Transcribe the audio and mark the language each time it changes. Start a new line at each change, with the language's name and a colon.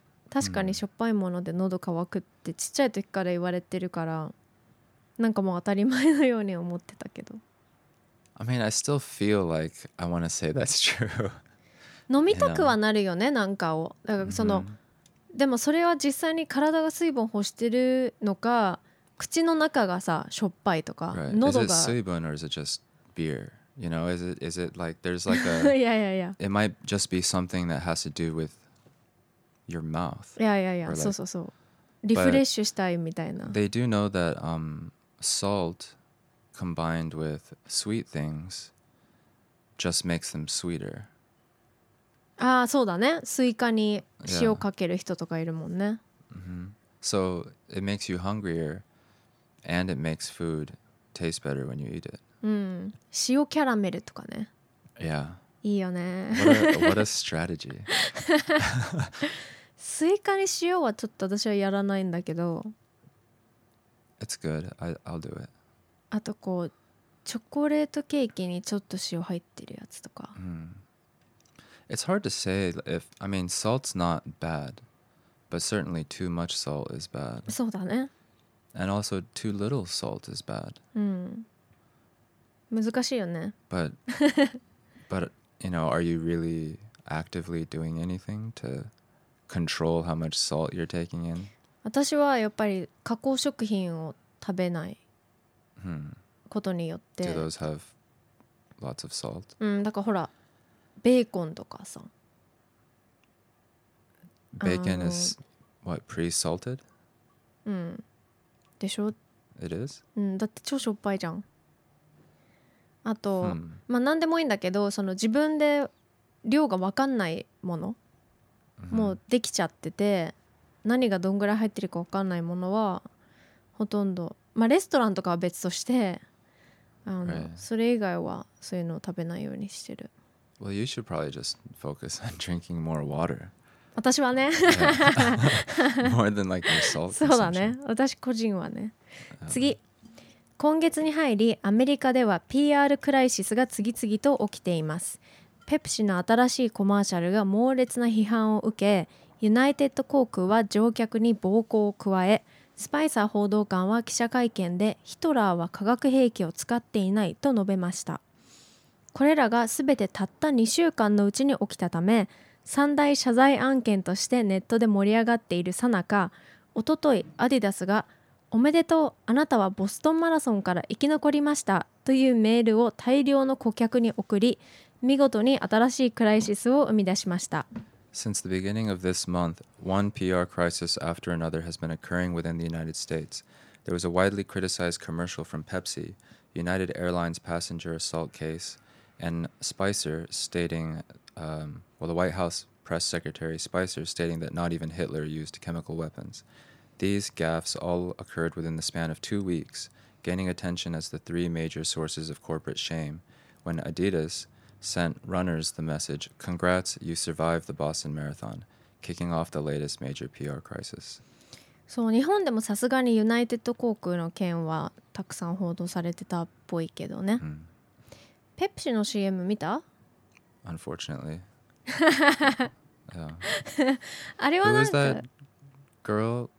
Japanese: 確かにしょっぱいもので喉乾くってちっちゃい時から言われてるから、なんかもう当たり前のように思ってたけど。
English: I mean, I still feel like I want to say that's true.
Japanese: 飲みたくはなるよね、なんかを。だからその、でもそれは実際に体が水分欲してるのか、口の中がさ、しょっぱいとか、喉が。
English: Is it 水分 or is it just beer? You know, is it like, there's like a... yeah, yeah, yeah. It might just be something that has to do with your mouth. Yeah, yeah, yeah.
Japanese: そうそうそう。リフレッシュしたいみたいな。
English: They do know that salt combined with sweet things just makes them sweeter.
Japanese: ああ、そうだね。スイカに塩かける人とかいるもんね。
English: Yeah. Mm-hmm. So it makes you hungrier. And it makes food taste better when you eat it.
Japanese: うん。塩キャラメルとかね。
English: Yeah.
Japanese: いいよね。
English: What a strategy.
Japanese: スイカに塩はちょっと私はやらないんだけど。
English: It's good. I'll do it.
Japanese: あとこう、チョコレートケーキにちょっと塩入ってるやつとか。 Mm.
English: It's hard to say if, I mean, salt's not bad, but certainly too much salt is bad.
Japanese: そうだね。
English: And also, too little salt is bad.
Japanese: うん。難しいよね。
English: But, you know, are you really actively doing anything to control how much salt you're taking in?
Japanese: 私はやっぱり加工食品を食べないことによって。
English: Do those have lots of salt?
Japanese: うん、だからほら、ベーコンとかさ。
English: Bacon is, what, pre-salted?
Japanese: うん。でしょ?
English: It is?
Japanese: うん、だって超しょっぱいじゃん。あと、まあ何でもいいんだけど、その自分で量が分かんないもの、もうできちゃってて、何がどんぐらい入ってるか分かんないものはほとんど、まあレストランとかは別として、
English: right.
Japanese: それ以外はそういうのを食べないようにしてる。
English: Well, you should probably just focus on drinking more water.
Japanese: 私はね
English: More than like your salt
Japanese: そうだね、私個人はね。次、今月に入りアメリカでは PR クライシスが次々と起きています。ペプシの新しいコマーシャルが猛烈な批判を受け、ユナイテッド航空は乗客に暴行を加え、スパイサー報道官は記者会見でヒトラーは化学兵器を使っていないと述べました。これらが全てたった2週間のうちに起きたため、三大謝罪案件としてネットで盛り上がっているさなか、おととい、アディダスが、おめでとう、あなたはボストンマラソンから生き残りましたというメールを大量の顧客に送り、見事に新しいクライシスを生み出しました。
English: Since the beginning of this month, one PR crisis after another has been occurring within the United States. There was a widely criticized commercial from Pepsi, United Airlines passenger assault case, and Spicer stating, Well, the White House Press Secretary Spicer stating that not even Hitler used chemical weapons. These gaffes all occurred within the span of 2 weeks, gaining attention as the three major sources of corporate shame, when Adidas sent runners the message, Congrats, you survived the Boston Marathon, kicking off the latest major PR crisis.
Japanese: そう、日本でもさすがにユナイテッド航空の件はたくさん報道されてたっぽいけどね。ペプシの CM 見た?
English: Unfortunately.
Japanese: あれはなんか
English: Who is that girl?